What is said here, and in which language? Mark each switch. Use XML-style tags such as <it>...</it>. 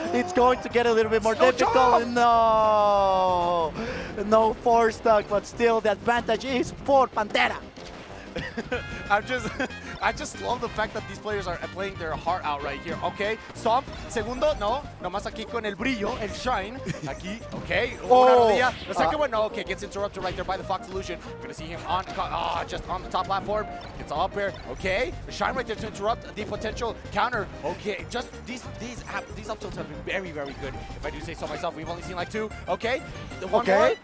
<en>It's going to get a little bit more difficult. No four stock, but still the advantage is for PanterA. I just love the fact that these players are playing their heart out right here.</en> <es>Okay, Stomp, segundo, no, nomás aquí con el brillo, el shine, aquí, okay. Oh. Una rodilla.</es> <en>The second one, no, okay, gets interrupted right there by the Fox Illusion. Gonna see him on, just on the top platform. It's all up here, okay. The shine right there to interrupt the potential counter. Okay, just these up tilts have been very, very good. If I do say so myself, we've only seen like two. Okay, the one okay.</en>